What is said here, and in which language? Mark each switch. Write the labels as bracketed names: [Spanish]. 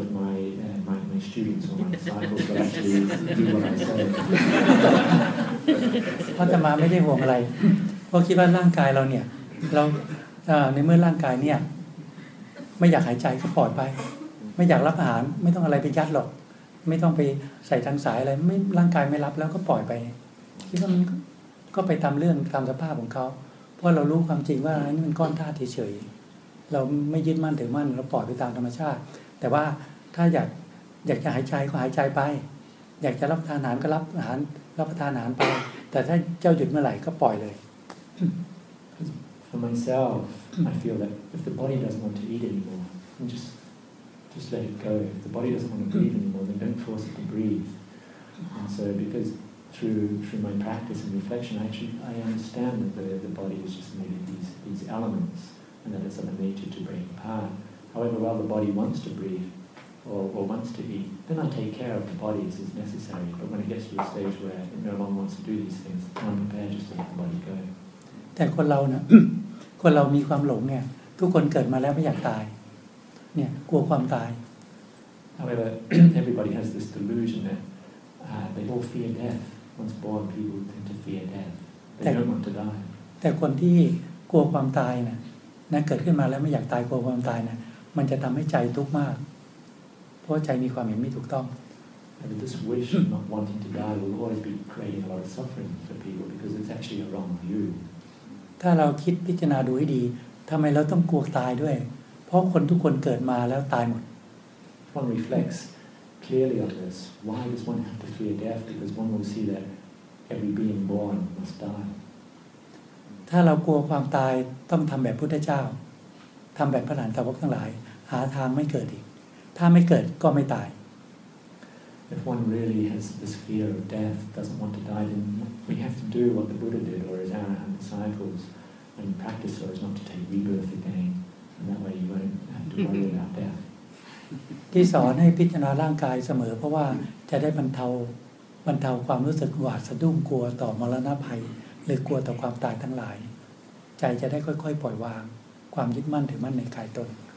[English] if my students or my disciples will actually do what I say. [Thai] พ ระธรรมะไม่ได้ห่วงอะไรเพราะคิดว่าร่างกายเราเนี่ยเราในเมื่อร่างกายเนี่ยไม่อยากหายใจก็ปล่อยไปไม่อยากรับอาหารไม่ต้องอะไรไปยัดหรอกไม่ต้องไปใส่ทางสายอะไรไม่ร่างกายไม่รับแล้วก็ปล่อยไป ที่ว่ามันก็ไปตามเรื่องตามสภาพของเขาเพราะเรารู้ความจริงว่าอันนี้มันก้อนธาตุเฉยๆเราไม่ยึดมั่นถือมั่นเราปล่อยไปตามธรรมชาติแต่ว่าถ้าอยากจะหายใจก็หายใจไปอยากจะรับประทานอาหารก็รับอาหารรับประทานอาหารไปแต่ถ้าเจ้าหยุดเมื่อไหร่ก็ปล่อยเลย [English] For myself I feel that if the body doesn't want to eat anymore just let it go if the body doesn't want to breathe anymore then don't force it to breathe and so because through my practice and reflection, I understand that the body is just made of these elements, and that it's of a nature to break apart. However, while the body wants to breathe or wants to eat, then I take care of the body as necessary. But when it gets to a stage where it no longer wants to do these things, then I'm prepared just to let the body go. [Thai] แต่คนเราเนี่ยคนเรามีความหลงเนี่ยทุกคนเกิดมาแล้วไม่อยากตายเนี่ยกลัวความตาย [English] However, everybody has this delusion that. They all fear death. Once born, people tend to fear death. They don't want to die. [Thai] แต่คนที่กลัวความตายนะเกิดขึ้นมาแล้วไม่อยากตายกลัวความตายนะมันจะทำให้ใจทุกข์มากเพราะใจมีความเห็นไม่ถูกต้อง [English] And this wish of not wanting to die will always be creating a lot of suffering for people because it's actually a wrong view. [Thai] ถ้าเราคิดพิจารณาดูให้ดีทำไมเราต้องกลัวตายด้วยเพราะคนทุกคนเกิดมาแล้วตายหมด [English] One reflects. Clearly on this, why does one have to fear death? Because one will see that every being born must die. [Thai] ถ้าเรากลัวความตายต้องทำแบบพุทธเจ้าทำแบบพระหลานสาวกทั้งหลายหาทางไม่เกิดอีกถ้าไม่เกิดก็ไม่ตาย [English] If one really has this fear of death, doesn't want to die, then we have to do what the Buddha did, or his Arahant disciples, and practice so as not to take rebirth again, and that way you won't have to worry about death. [Thai] ที่สอนให้พิจารณาร่างกายเสมอเพราะว่าจะได้บรรเทาความรู้สึกหวาดสะดุ้งกลัวต่อมรณภัยหรือกลัวต่อความตายทั้งหลายใจจะได้ค่อยๆปล่อยวางความยึดมั่นถือมั่นในกายตน